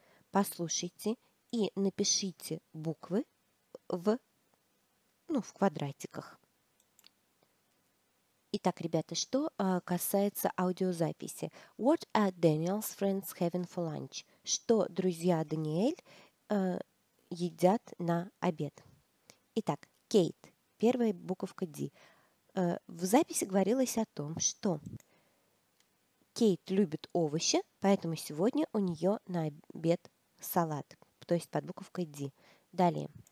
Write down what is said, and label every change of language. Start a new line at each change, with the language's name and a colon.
Russian: Послушайте и напишите буквы в квадратиках. Итак, ребята, что касается аудиозаписи.
English: What are Daniel's friends having for lunch?
Russian: Что друзья Даниэль едят на обед? Итак, Кейт. Первая буковка D. В записи говорилось о том, что Кейт любит овощи, поэтому сегодня у нее на обед салат, то есть под буковкой D. Далее.